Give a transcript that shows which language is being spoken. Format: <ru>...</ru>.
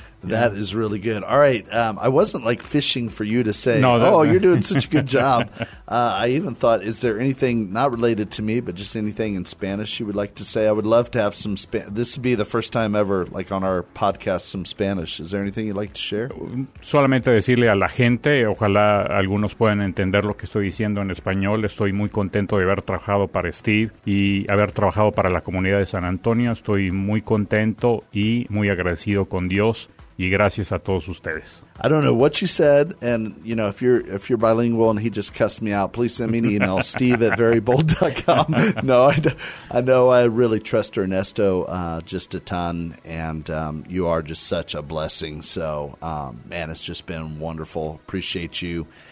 <en>That is really good. All right. I wasn't like fishing for you to say, you're doing such a good job. I even thought, is there anything not related to me, but just anything in Spanish you would like to say? I would love to have some this would be the first time ever, like on our podcast, some Spanish. Is there anything you'd like to share?</en> <es>Solamente decirle a la gente, ojalá algunos puedan entender lo que estoy diciendo en español. Estoy muy contento de haber trabajado para Steve y haber trabajado para la comunidad de San Antonio. Estoy muy contento y muy agradecido con Dios. Y gracias a todos ustedes.</es> <en>I don't know what you said, and you know, if you're bilingual and he just cussed me out, please send me an email, steve@verybold.com. No, I know I really trust Ernesto just a ton, and you are just such a blessing. So, man, it's just been wonderful. Appreciate you.</en>